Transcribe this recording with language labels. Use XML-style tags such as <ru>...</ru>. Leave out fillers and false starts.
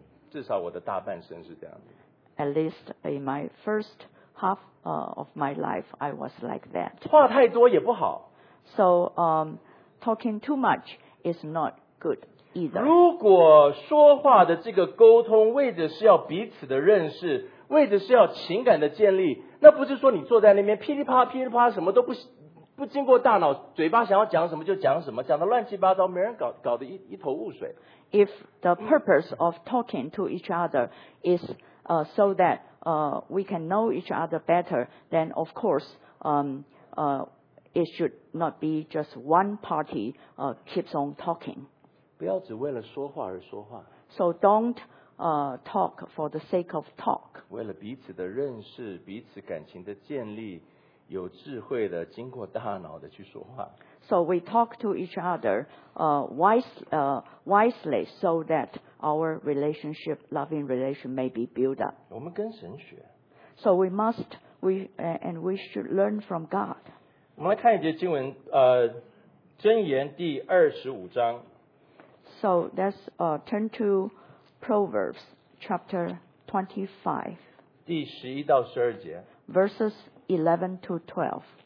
<zh>至少我的大半生是这样。</zh> <en>At least in my first half of my life, I was like that.</en> <zh>话太多也不好。</zh> <en>So talking too much is not good either.</en> <zh>如果说话的这个沟通为的是要彼此的认识，为的是要情感的建立，那不是说你坐在那边噼里啪噼里啪什么都不。不经过大脑，嘴巴想要讲什么就讲什么，讲得乱七八糟，没人搞得一头雾水。</zh> <en>If the purpose of talking to each other is so that we can know each other better, then of course it should not be just one party keeps on talking.</en> <zh>不要只为了说话而说话。</zh> <en>So don't talk for the sake of talk.</en> <zh>为了彼此的认识，彼此感情的建立。有智慧的经过大脑的去说话。</zh> <en>So we talk to each other, wisely, so that our relationship, loving relation, may be built up.</en> <zh>我们跟神学。</zh> <en>So we must, we should learn from God.</en> <zh>我们来看一节经文，箴言第二十五章。</zh> <en>So let's turn to Proverbs chapter 25.</en> <zh>第十一到十二节。</zh> <en>Verses 11 to 12.</en>